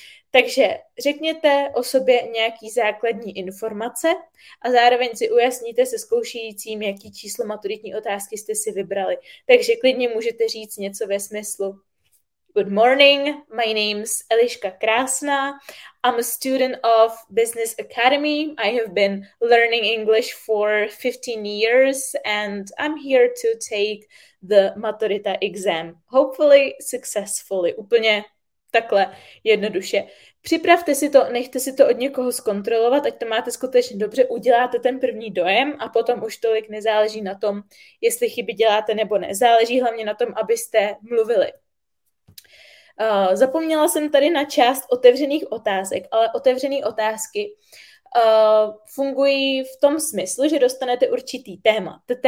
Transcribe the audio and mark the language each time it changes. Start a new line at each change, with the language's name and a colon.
Czech: Takže řekněte o sobě nějaký základní informace a zároveň si ujasníte se zkoušejícím, jaký číslo maturitní otázky jste si vybrali. Takže klidně můžete říct něco ve smyslu
English: Good morning, my name's Eliška Krásná. I'm a student of Business Academy. I have been learning English for 15 years and I'm here to take the maturita exam. Hopefully successfully,
Czech: úplně takhle jednoduše. Připravte si to, nechte si to od někoho zkontrolovat, ať to máte skutečně dobře, uděláte ten první dojem a potom už tolik nezáleží na tom, jestli chyby děláte nebo ne. Záleží hlavně na tom, abyste mluvili. Zapomněla jsem tady na část otevřených otázek, ale otevřené otázky fungují v tom smyslu, že dostanete určitý téma.